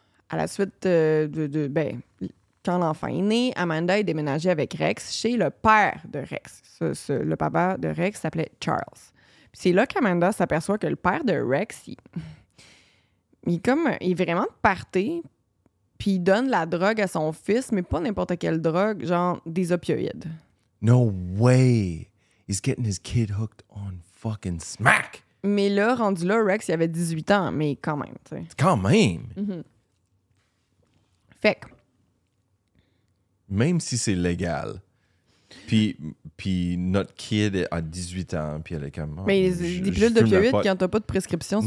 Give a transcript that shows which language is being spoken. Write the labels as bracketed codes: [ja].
[fr] À la suite de ben, quand l'enfant est né, Amanda est déménagée avec Rex chez le père de Rex. Le papa de Rex s'appelait Charles. Puis c'est là qu'Amanda s'aperçoit que le père de Rex, il est vraiment de parté, puis il donne la drogue à son fils, mais pas n'importe quelle drogue, genre des opioïdes. [en] No way! He's getting his kid hooked on fucking smack! [fr] Mais là, rendu là, Rex, il avait 18 ans, mais quand même, tu sais. Quand même! Mm-hmm. Fait que... Même si c'est légal, puis notre kid a 18 ans, puis elle est comme... Oh, mais des pilules d'opioïdes, quand t'as pas de prescription, c'est